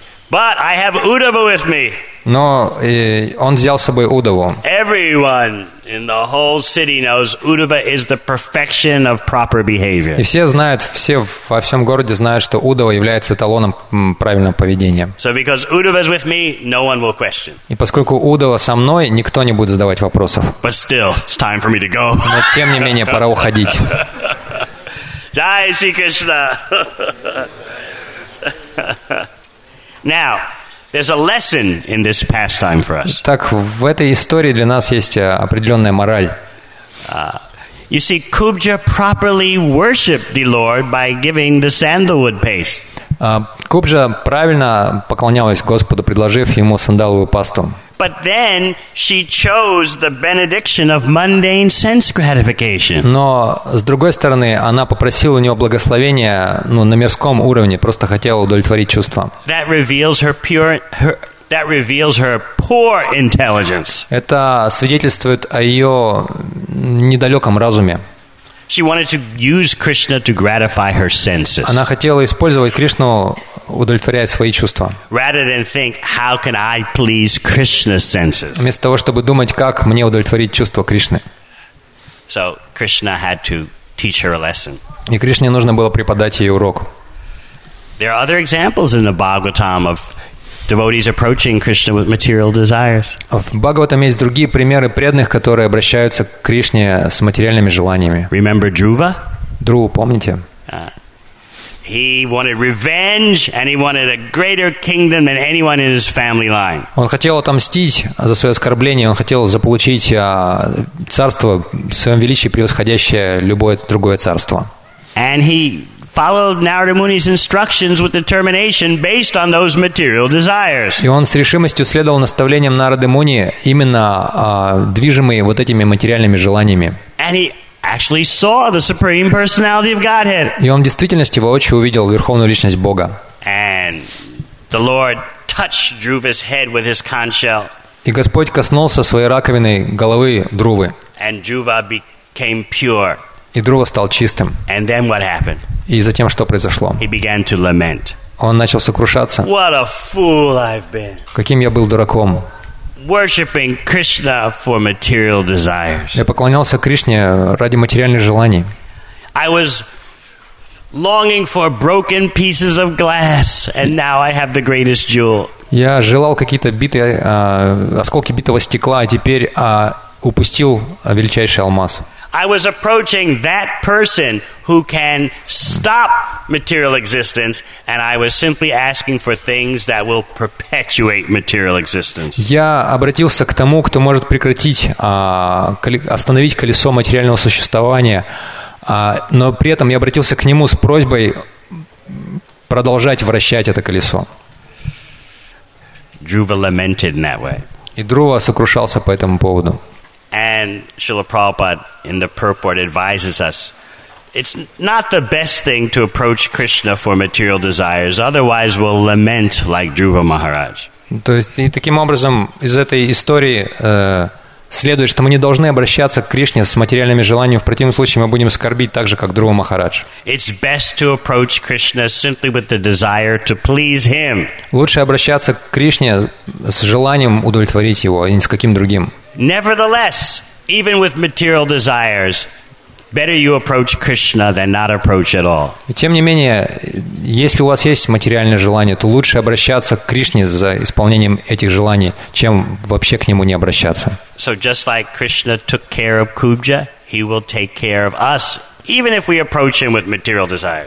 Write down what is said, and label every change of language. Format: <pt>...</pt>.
<en>But I have Uddhava with me.</en> <ru>Но он взял с собой Уддхаву.</ru> <en>Everyone in the whole city knows Uddhava is the perfection of proper behavior.</en> <ru>И все знают, все во всем городе знают, что Уддхава является эталоном правильного поведения.</ru> <en>So because Uddhava is with me, no one will question.</en> <ru>И поскольку Уддхава со мной, никто не будет задавать вопросов.</ru> <en>But still, it's time for me to go.</en> <ru>Но тем не менее пора уходить.</ru> <hi>Jai Shri Krishna.</hi> <en>Now, there's a lesson in this pastime for us.</en> <ru>Так в этой истории для нас есть определенная мораль.</ru> <en>You see, Kubja properly worshipped the Lord by giving the sandalwood paste.</en> <ru>Кубджа правильно поклонялась Господу, предложив ему сандаловую пасту.</ru> <en>But then she chose the benediction of mundane sense gratification.</en> <ru>Но с другой стороны, она попросила у него благословения, на мирском уровне, просто хотела удовлетворить чувства.</ru> <en>That reveals her pure, her, That reveals her poor intelligence.</en> <ru>Это свидетельствует о ее недалеком разуме.</ru> <en>She wanted to use Krishna to gratify her senses.</en> <ru>Она хотела использовать Кришну, удовлетворяя свои чувства.</ru> <en>Rather than think, how can I please Krishna's senses?</en> <ru>Вместо того, чтобы думать, как мне удовлетворить чувства Кришны.</ru> <en>So Krishna had to teach her a lesson.</en> <ru>И Кришне нужно было преподать ей урок.</ru> <en>There are other examples in the Bhagavatam of devotees approaching Krishna with material desires.</en> <ru>В Бхагаватам есть другие примеры преданных, которые обращаются к Кришне с материальными желаниями.</ru> <en>Remember Dhruva?</en> <ru>Dhruva, помните?</ru> <en>He wanted revenge and he wanted a greater kingdom than anyone in his family line.</en> <ru>Он хотел отомстить за свое оскорбление, он хотел заполучить царство в своем величии, превосходящее любое другое царство.</ru> <en>And he followed Narada Muni's instructions with determination based on those material desires.</en> <ru>И он с решимостью следовал наставлениям Нарады Муни, именно движимый вот этими материальными желаниями.</ru> <en>And he actually saw the Supreme Personality of Godhead.</en> <ru>И он в действительности воочию увидел Верховную Личность Бога.</ru> <en>And the Lord touched Dhruva's head with his conch shell.</en> <ru>И Господь коснулся своей раковиной головы Друвы.</ru> <en>And Dhruva became pure.</en> <ru>И Друва стал чистым.</ru> <en>And then what happened?</en> <ru>И затем что произошло?</ru> <en>He began to lament.</en> <ru>Он начал сокрушаться.</ru> <en>What a fool I've been.</en> <ru>Каким я был дураком.</ru> <en>Worshipping Krishna for material desires.</en> <ru>Я поклонялся Кришне ради материальных желаний.</ru> <en>I was longing for broken pieces of glass, and now I have the greatest jewel.</en> <ru>Я желал какие-то битые осколки битого стекла, а теперь упустил величайший алмаз.</ru> <en>I was approaching that person who can stop material existence, and I was simply asking for things that will perpetuate material existence.</en> <ru>Я обратился к тому, кто может остановить колесо материального существования, но при этом я обратился к нему с просьбой продолжать вращать это колесо.</ru> <en>Dhruva lamented in that way.</en> <ru>И Друва сокрушался по этому поводу.</ru> <en>And Srila Prabhupada in the purport advises us, it's not the best thing to approach Krishna for material desires, otherwise we'll lament like Dhruva Maharaj.</en> <ru>То есть, и таким образом, из этой истории следует, что мы не должны обращаться к Кришне с материальными желаниями, в противном случае мы будем скорбить так же, как Друва Махарадж.</ru> <en>It's best to approach Krishna simply with the desire to please him.</en> <ru>Лучше обращаться к Кришне с желанием удовлетворить его, а не с каким другим.</ru> <en>Nevertheless, even with material desires, better you approach Krishna than not approach at all.</en> <ru>Тем не менее, если у вас есть материальное желание, то лучше обращаться к Кришне за исполнением этих желаний, чем вообще к нему не обращаться.</ru> <en>So just like Krishna took care of Kubja, he will take care of us, even if we approach him with material desires.</en>